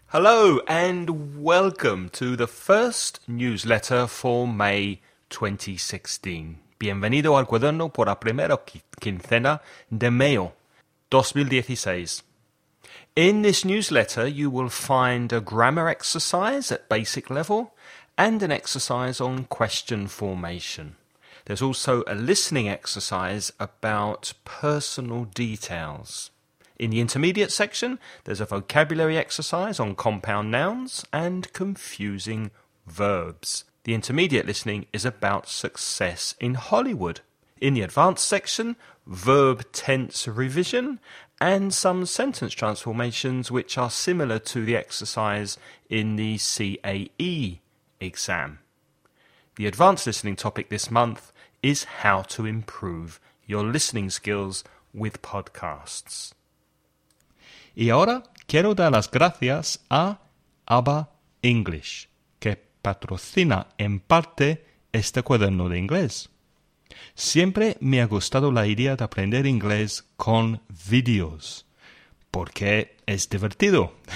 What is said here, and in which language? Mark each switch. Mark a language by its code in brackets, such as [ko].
[en] Hello and welcome to the first newsletter for May 2016. [es] Bienvenido al cuaderno por la primera quincena de mayo 2016. [en] In this newsletter, you will find a grammar exercise at basic level and an exercise on question formation. There's also a listening exercise about personal details. In the intermediate section, there's a vocabulary exercise on compound nouns and confusing verbs. The intermediate listening is about success in Hollywood. In the advanced section, verb tense revision and some sentence transformations which are similar to the exercise in the CAE exam. The advanced listening topic this month is how to improve your listening skills with podcasts. [es] Y ahora quiero dar las gracias a ABBA English, que patrocina en parte este cuaderno de inglés. Siempre me ha gustado la idea de aprender inglés con vídeos, porque es divertido.